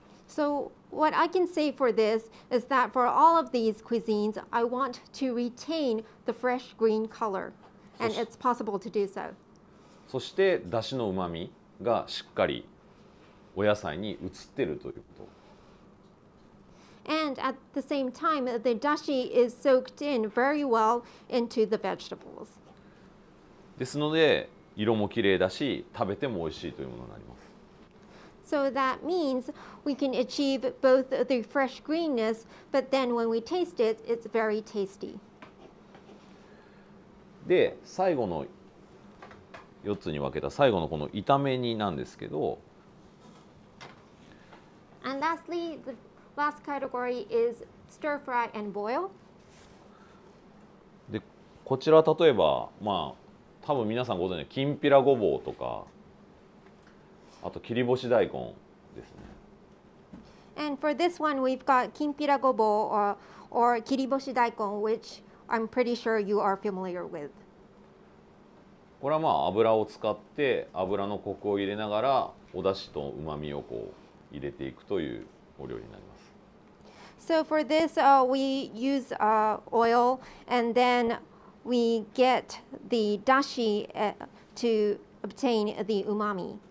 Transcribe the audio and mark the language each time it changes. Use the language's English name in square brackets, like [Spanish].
[English] So,What I can say for this is that for all of these cuisines, I want to retain the fresh green color, and it's possible to do so. [Japanese] そして、だしの旨味がしっかりお野菜に移ってるということ。 [English] And at the same time, the dashi is soaked in very well into the vegetables. [Japanese] ですので、色も綺麗だし、食べても美味しいというものになります。 [English] So that means we can achieve both the fresh greenness, but then when we taste it, it's very tasty. [Japanese] で、最後の4つに分けた最後のこの炒め煮なんですけど。 [English] And lastly, the last category is stir fry and boil. [Japanese] で、こちら例えば、まあ、多分皆さんご存知のきんぴらごぼうとか、あと切り干し大根ですね。 [English] And for this one, we've got きんぴらごぼう or 切り干し大根, which I'm pretty sure you are familiar with. [Japanese] これはまあ油を使って油のコクを入れながらお出汁と旨味をこう入れていくというお料理になります。 [English] So for this, we use oil and then we get the dashi to obtain the umami.